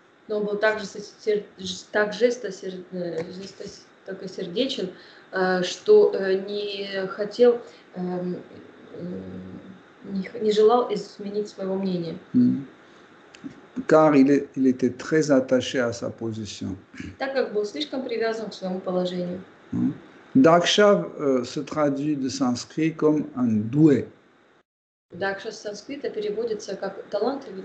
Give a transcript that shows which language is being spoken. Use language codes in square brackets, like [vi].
[ru] Но он был так сердечен, что не хотел не желал изменить своего мнения. [fr] Car il était très attaché à sa position. [ru] Так как был слишком привязан к своему положению. [fr] Daksha se traduit de sanskrit comme un doué. [ru] Daksha с санскрита переводится как талантливый.